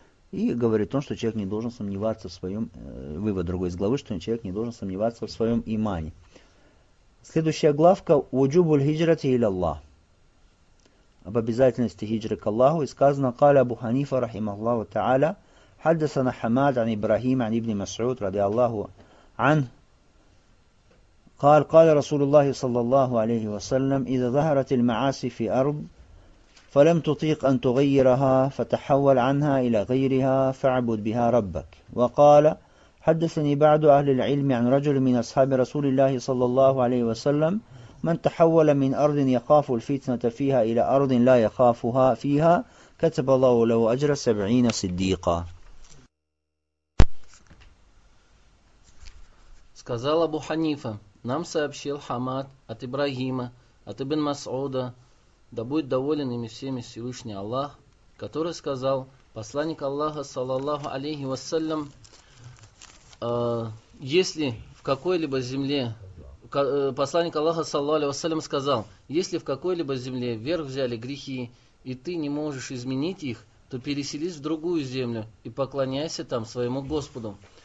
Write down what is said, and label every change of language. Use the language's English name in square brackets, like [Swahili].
[Russian] И говорит он, что человек не должен сомневаться в своем, вывод другой из главы, что человек не должен сомневаться в своем имане. Следующая главка «Уджубуль хиджрати иля Аллах». Об обязательности хиджры к Аллаху. И сказано «Каля Абу Ханифа рахима Аллаху та'аля». [Arabic] حدثنا حماد عن إبراهيم عن ابن مسعود رضي الله عنه قال قال رسول الله صلى الله عليه وسلم إذا ظهرت المعاصي في أرض فلم تطيق أن تغيرها فتحول عنها إلى غيرها فاعبد بها ربك وقال حدثني بعض أهل العلم عن رجل من أصحاب رسول الله صلى الله عليه وسلم من تحول من أرض يخاف الفتنة فيها إلى أرض لا يخافها فيها كتب الله له أجر 70 صديقا. [Russian] Сказал Абу Ханифа, нам сообщил Хамад от Ибрагима, от Ибн Масуда, да будет доволен ими всеми Всевышний Аллах, который сказал, посланник Аллаха, саллаллаху алейхи вассалям, если в какой-либо земле, посланник Аллаха, саллаллаху алейхи вассалям, сказал, если в какой-либо земле вверх взяли грехи, и ты не можешь изменить их, то переселись в другую землю и поклоняйся там своему Господу.